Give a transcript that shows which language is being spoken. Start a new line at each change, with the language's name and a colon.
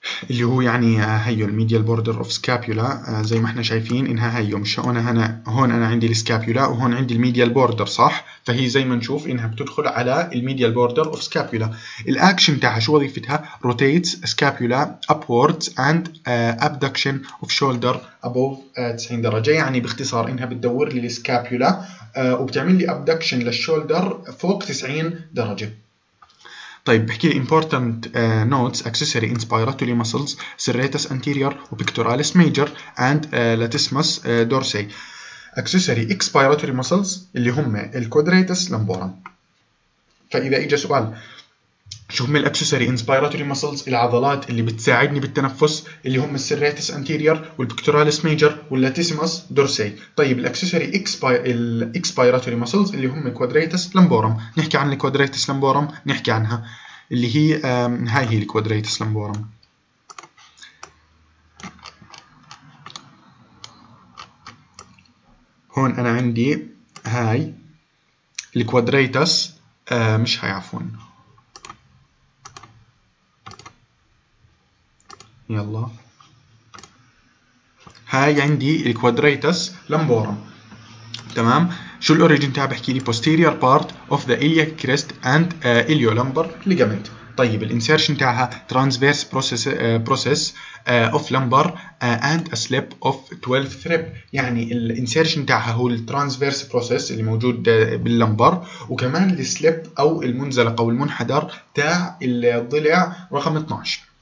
Arabic: اللي هو يعني هيو الميديال بوردر اوف سكابيولا، زي ما احنا شايفين انها هيو، مش هنا هون انا عندي السكابيولا وهون عندي الميديال بوردر صح؟ فهي زي ما نشوف انها بتدخل على الميديال بوردر اوف سكابيولا. الاكشن تاعها شو وظيفتها؟
English: rotates scapula upwards and abduction of shoulder above
Arabic: 90 درجة، يعني باختصار انها بتدور لي السكابيولا وبتعمل لي ابدكشن للشولدر فوق 90 درجة. طيب بحكي لي
English: important notes accessory in spiratory muscles serratus anterior و pectoralis major and latissimus dorsi accessory expiratory muscles
Arabic: اللي هم الكوادريتس لامبورم. فإذا إجا سؤال شو هم الاكسسوري انسبيراتوري ماسلز، العضلات اللي بتساعدني بالتنفس، اللي هم السيريتس انتيرير والبكتوراليس ميجر واللاتيسيموس دورسي. طيب الاكسسوري الاكسبيراتوري ماسلز اللي هم الكوادريتس لامبورم، نحكي عن الكوادريتس لامبورم، نحكي عنها اللي هي هاي هي الكوادريتس لامبورم. هون انا عندي هاي الكوادريتس، مش هاي عفوا، يلا هاي عندي الكوادريتس لامبورم تمام. شو الاوريجين تاعها؟ بحكي لي
English: posterior part of the iliac crest and iliolumbar ligament.
Arabic: طيب الانسيرشن تاعها
English: transverse process process of lumbar and a slip of 12th rib،
Arabic: يعني الانسيرشن تاعها هو الترانسفيرس بروسيس اللي موجود باللمبر، وكمان السليب او المنزلق او المنحدر تاع الضلع رقم 12.